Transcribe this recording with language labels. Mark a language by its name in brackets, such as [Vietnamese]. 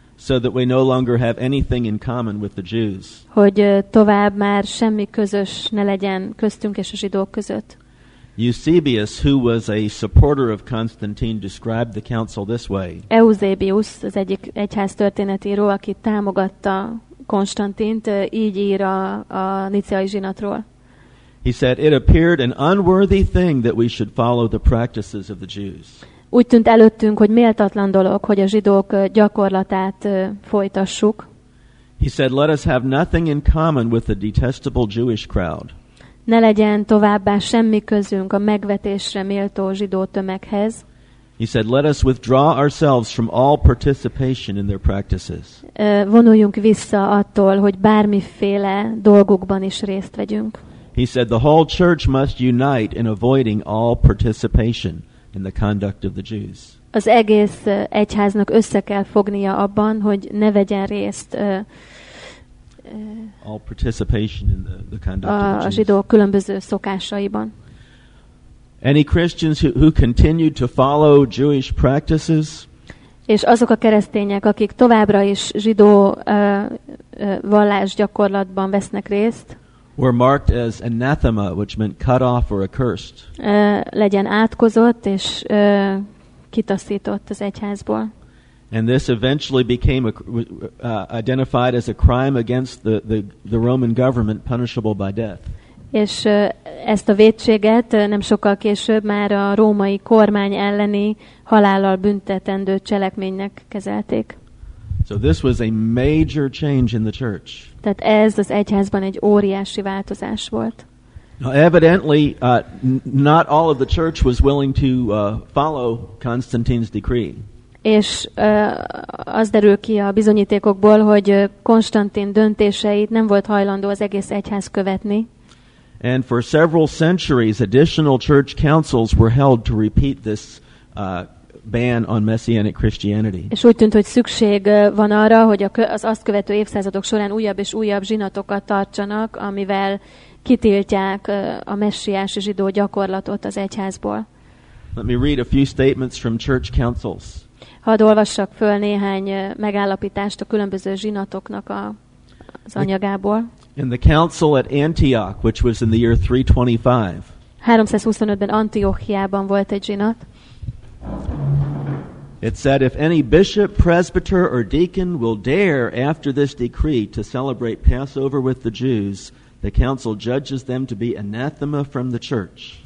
[English] So that we no longer have anything in common with the Jews. [Hungarian] Hogy tovább már semmi közös ne legyen köztünk és a zsidók között. [English] Eusebius, who was a supporter of Constantine, described the council this way. [Hungarian] Eusebius, az egyik egyháztörténetíró, aki támogatta Konstantint, így ír a niceai zsinatról. [English] He said, "It appeared an unworthy thing that we should follow the practices of the Jews." [Hungarian] Úgy tűnt előttünk, hogy méltatlan dolog, hogy a zsidók gyakorlatát folytassuk. [English] He said, "Let us have nothing in common with the detestable Jewish crowd." [Hungarian] Ne legyen továbbá semmi közünk a megvetésre méltó zsidó tömeghez. [English] He said, "Let us withdraw ourselves from all participation in their practices." [Hungarian] Vonuljunk vissza attól, hogy bármiféle dolgukban is részt vegyünk. [English] He said, "The whole church must unite in avoiding all participation in the conduct of the Jews." [Hungarian] Az egész egyháznak össze kell fognia abban, hogy ne vegyen részt [English] all participation in the conduct of the Jews. [Hungarian] A zsidók különböző szokásaiban. [English] Any Christians who continued to follow Jewish practices? [Hungarian] És azok a keresztények, akik továbbra is zsidó vallásgyakorlatban vesznek részt, [English] were marked as anathema, which meant cut off or accursed. [Hungarian] Legyen átkozott és kitaszított az egyházból. [English] And this eventually became identified as a crime against the Roman government, punishable by death. [Hungarian] És ezt a vétséget nem sokkal később már a római kormány elleni halállal büntetendő cselekménynek kezelték. [English] So this was a major change in the church. [Hungarian] Tehát ez az egyházban egy óriási változás volt. [English] Now evidently not all of the church was willing to follow Constantine's decree. [Hungarian] És az derül ki a bizonyítékokból, hogy Konstantin döntéseit nem volt hajlandó az egész egyház követni. [English] And for several centuries additional church councils were held to repeat this ban on messianic Christianity. [Hungarian] És úgy tűnt, hogy szükség van arra, hogy az azt követő évszázadok során újabb és újabb zsinatokat tartsanak, amivel kitiltják a messiási zsidó gyakorlatot az egyházból. [English] Let me read a few statements from church councils. [Hungarian] Hadd olvassak föl néhány megállapítást a különböző zsinatoknak az anyagából. [English] In the council at Antioch, which was in the year 325. [Hungarian] 325-ben Antiochiában volt egy zsinat. [English] It said, "If any bishop, presbyter, or deacon will dare after this decree to celebrate Passover with the Jews, the council judges them to be anathema from the church."